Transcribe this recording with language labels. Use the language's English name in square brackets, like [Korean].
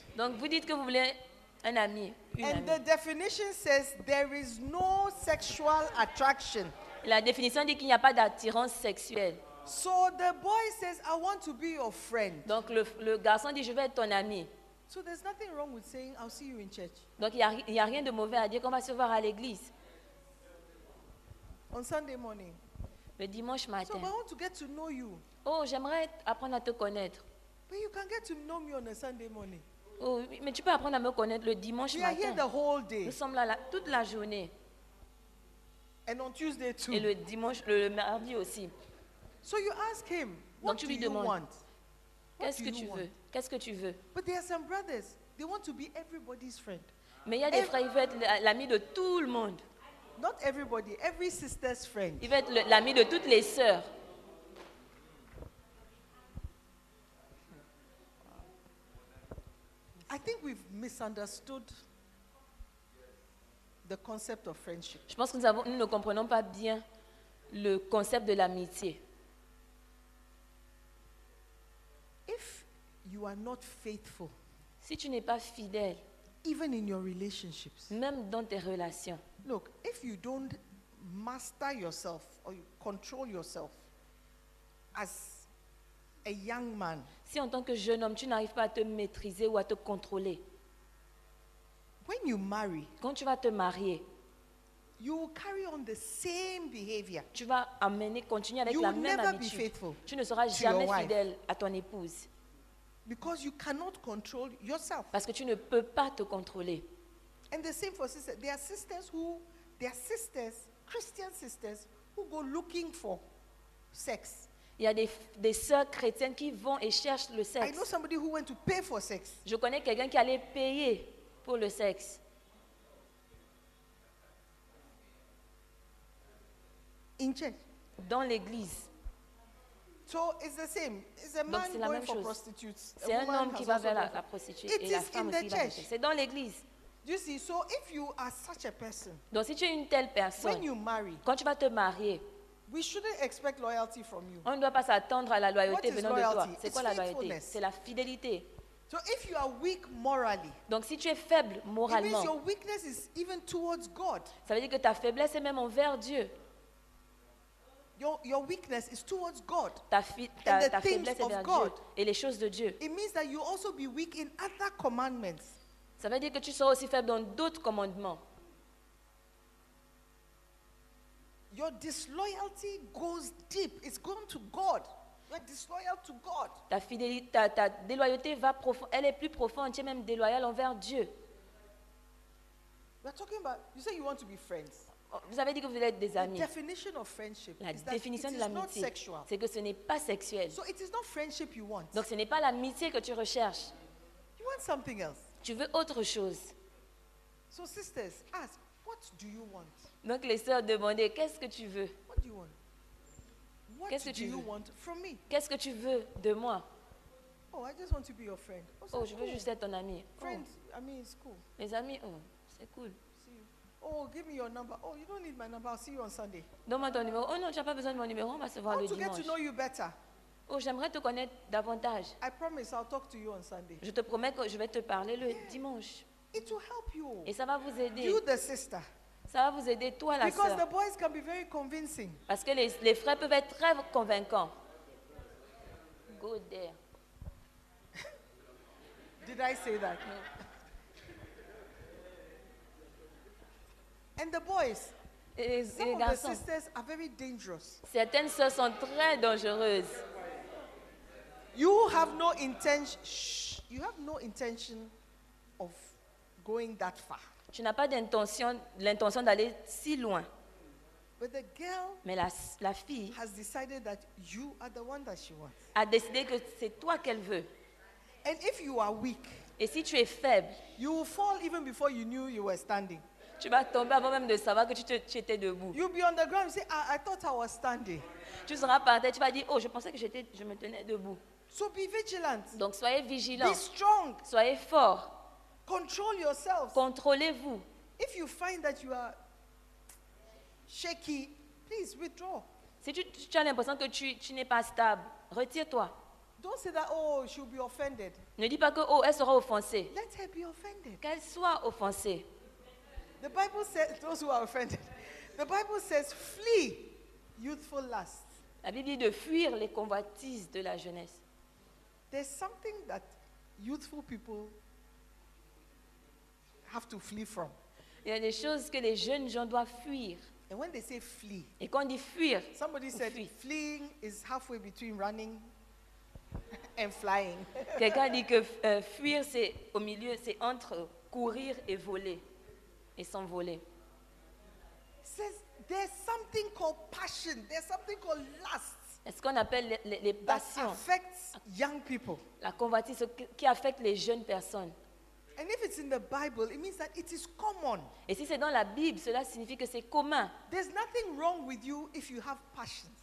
[French] Donc vous dites que vous voulez un ami. [English] And the definition says there is no sexual attraction. [French] La définition dit qu'il n'y a pas d'attirance sexuelle. [English] So the boy says, "I want to be your friend." [French] Donc le garçon dit, je veux être ton ami. [English] So there's nothing wrong with saying, "I'll see you in church." [French] Donc il y a rien de mauvais à dire qu'on va se voir à l'église. [English] On Sunday morning. [French] Le dimanche matin. [English] So I want to get to know you. [French] Oh, j'aimerais apprendre à te connaître. [English] But you can get to know me on a Sunday morning. [French] Oh, mais tu peux apprendre à me connaître le dimanche matin. [English] We are here the whole day. [French] Nous sommes là toute la journée. [English] And on Tuesday too. [French] Et le dimanche, le mardi aussi. [English] So you ask him, what do you want? [French] Qu'est-ce que tu veux? Qu'est-ce que tu veux? [English] But there are some brothers. They want to be everybody's friend. [French] Mais il y a des frères, ils veulent être l'ami de tout le monde. [English] Not everybody, every sister's friend. [French] Ils veulent être l'ami de toutes les sœurs. [English] I think we've misunderstood the concept of friendship. [French] Je pense que nous ne comprenons pas bien le concept de l'amitié. [English] If you are not faithful, [French] si tu n'es pas fidèle, [English] even in your relationships, [French] même dans tes relations, [English] look, if you don't master yourself or you control yourself as a young man, [French] si en tant que jeune homme tu n'arrives pas à te maîtriser ou à te contrôler, [English] when you marry, [French] quand tu vas te marier, [English] you will carry on the same behavior. [French] Tu vas continuer avec la même attitude. Tu ne seras jamais fidèle à ton épouse. [English] Because you cannot control yourself. [French] Parce que tu ne peux pas te contrôler. [English] And the same for sisters. There are sisters Christian sisters who go looking for sex. [French] Il y a des sœurs chrétiennes qui vont et cherchent le sexe. [English] I know somebody who went to pay for sex. [French] Je connais quelqu'un qui allait payer pour le sexe. [English] In church. [French] Dans l'église. [English] So it's the same. It's a man [French] donc, c'est la [English] going [French] même chose. [English] For prostitutes. [French] C'est [English] a [French] un homme qui va vers la prostituée et la femme qui va vers. C'est dans l'église. [English] You see, so if you are such a person, [French] donc si tu es une telle personne, [English] when you marry, [French] quand tu vas te marier, [English] we shouldn't expect loyalty from you. [French] On ne doit pas s'attendre à la loyauté [English] what [French] venant [English] loyalty? [French] De toi. C'est quoi la loyauté? C'est la fidélité. [English] So if you are weak morally, [French] donc si tu es faible moralement, [English] it means your weakness is even towards God. [French] Ça veut dire que ta faiblesse est même envers Dieu. [English] Your weakness is towards God. [French] Ta faiblesse est vers God. Dieu et les choses de Dieu. [English] It means that you also be weak in other commandments. [French] Ça veut dire que tu seras aussi faible dans d'autres commandements. [English] Your disloyalty goes deep. It's going to God. You're disloyal to God. [French] Ta fidélité, ta déloyauté va profond. Elle est plus profonde. Tu es même déloyal envers Dieu. [English] We're talking about. You say you want to be friends. [French] Vous avez dit que vous voulez être des amis. [English] The definition of friendship [French] la définition de l'amitié, c'est que ce n'est pas sexuel. [English] So it is not friendship you want. [French] Donc ce n'est pas l'amitié que tu recherches. [English] You want something else. [French] Tu veux autre chose. [English] So sisters, ask, what do you want? [French] Donc les sœurs demandaient, qu'est-ce que tu veux? [English] What do you want? What [French] qu'est-ce que [English] do [French] tu [English] you [French] veux? [English] Want from me? [French] Qu'est-ce que tu veux de moi? [English] Oh, I just want to be your friend. [French] Oh, je veux juste être ton ami. [English] Friends, oh. I mean, it's cool. [French] Mes amis, oh, c'est cool. [English] Oh, give me your number. Oh, you don't need my number. I'll see you on Sunday. [French] Donne-moi ton numéro. Oh non, tu n'as pas besoin de mon numéro. On va se voir le dimanche. [English] I want to get to know you better. [French] Oh, j'aimerais te connaître davantage. [English] I promise I'll talk to you on Sunday. [French] Je te promets que je vais te parler le dimanche. [English] It will help you. [French] Et ça va vous aider. [English] You the sister. [French] Ça va vous aider toi la sœur. [English] Because the boys can be very convincing. [French] Parce que les frères peuvent être très convaincants. [English] Go there. Did I say that? No. And the boys, [French] et les [English] some [French] garçons, [English] of the sisters are very dangerous. [French] Certaines sœurs sont très dangereuses. [English] You have no intention. You have no intention of going that far. [French] Tu n'as pas d'intention, l'intention d'aller si loin. [English] But the girl, [French] mais la fille, [English] has decided that you are the one that she wants. [French] A décidé que c'est toi qu'elle veut. [English] And if you are weak, [French] et si tu es faible, [English] you will fall even before you knew you were standing. [French] Tu vas tomber avant même de savoir que tu étais debout. [English] You'll be on the ground. You say, I thought I was standing. [French] Tu seras par terre. Tu vas dire, oh, je pensais que je me tenais debout. [English] So be vigilant. [French] Donc soyez vigilant. [English] Be strong. [French] Soyez fort. [English] Control yourself. [French] Contrôlez-vous. [English] If you find that you are shaky, please withdraw. [French] Si tu as l'impression que tu n'es pas stable, retire-toi. [English] Don't say that. Oh, she'll be offended. [French] Ne dis pas que oh, elle sera offensée. [English] Let her be offended. [French] Qu'elle soit offensée. [English] The Bible says those who are offended. The Bible says flee youthful lust. [French] La Bible dit de fuir les convoitises de la jeunesse. [English] There's something that youthful people have to flee from. [French] Il y a des choses que les jeunes gens doivent fuir. [English] And when they say flee. [French] Et quand on dit fuir. [English] Somebody said [French] fuir. [English] Fleeing is halfway between running and flying. [French] Quelqu'un dit que fuir c'est au milieu, c'est entre courir et voler. Et s'envoler. [English] Says there's something called passion, there's something called lust. [French] Est-ce qu'on appelle les passions? [English] That affects young people. [French] La convoitise qui affecte les jeunes personnes. [English] And if it's in the Bible, it means that it is common. [French] Et si c'est dans la Bible, cela signifie que c'est commun. [English] There's nothing wrong with you if you have passions.